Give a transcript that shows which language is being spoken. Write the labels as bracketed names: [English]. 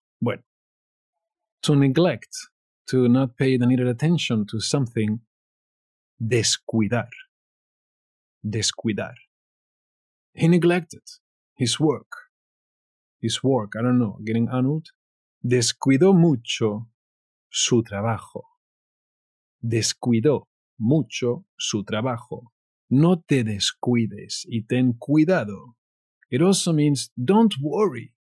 [English] Bueno, to neglect, to not pay the needed attention to something, descuidar, descuidar. He neglected his work. I don't know, getting annulled. [Spanish] Descuidó mucho su trabajo. Descuidó mucho su trabajo. No te descuides y ten cuidado. [English] It also means don't worry.